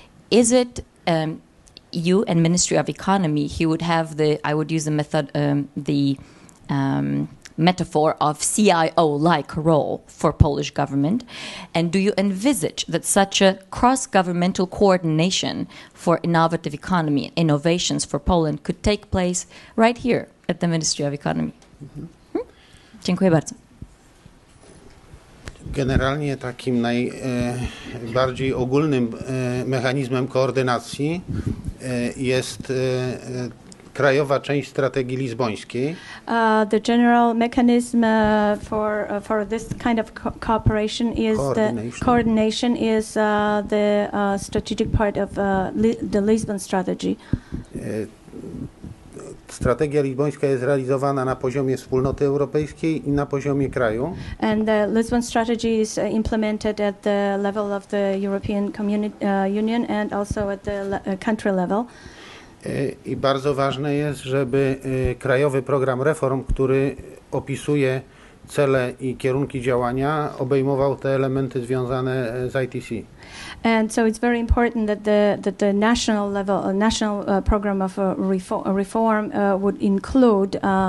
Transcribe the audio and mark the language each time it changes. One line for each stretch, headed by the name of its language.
English: Is it you and Ministry of Economy who would have the, I would use the method, metaphor of CIO-like role for Polish government? And do you envisage that such a cross-governmental coordination for innovative economy, innovations for Poland could take place right here at the Ministry of Economy?
Polish: Mm-hmm. Dziękuję bardzo. Generalnie takim najbardziej ogólnym mechanizmem koordynacji jest krajowa część strategii lizbońskiej.
English: The general mechanism for this kind of cooperation is coordination is the strategic part of the Lisbon strategy.
Polish: Strategia lizbońska jest realizowana na poziomie wspólnoty europejskiej i na poziomie kraju.
English: And the Lisbon strategy is implemented at the level of the European Union and also at the country level.
Polish: I bardzo ważne jest, żeby krajowy program reform, który opisuje cele i kierunki działania, obejmował te elementy związane z ITC.
English: And so it's very important that the national level, national program of reform would include